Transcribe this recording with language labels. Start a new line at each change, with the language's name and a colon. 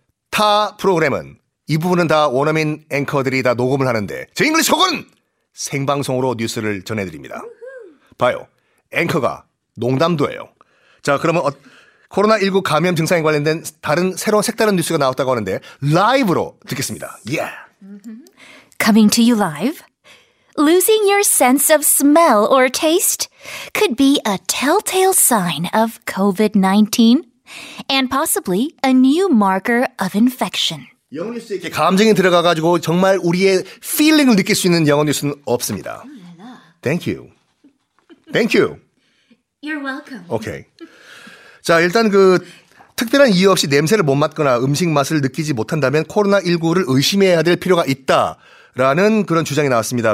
Korean: 타 프로그램은 이 부분은 다 원어민 앵커들이 다 녹음을 하는데 제 잉글리시 곡은 생방송으로 뉴스를 전해드립니다. 봐요. 앵커가 농담도 해요. 자, 그러면 코로나19 감염 증상에 관련된 다른 새로운 색다른 뉴스가 나왔다고 하는데 라이브로 듣겠습니다.
English: Yeah. Coming to you live. Losing your sense of smell or taste could be a telltale sign of COVID-19 and possibly a new marker of infection.
Korean: 영어 뉴스에 이렇게 감정이 들어가가지고 정말 우리의 feeling을 느낄 수 있는 영어 뉴스는 없습니다.
English: Thank you. Thank you. You're welcome. Okay.
Korean: 자, 일단 그 특별한 이유 없이 냄새를 못 맡거나 음식 맛을 느끼지 못한다면 코로나19를 의심해야 될 필요가 있다라는 그런 주장이 나왔습니다.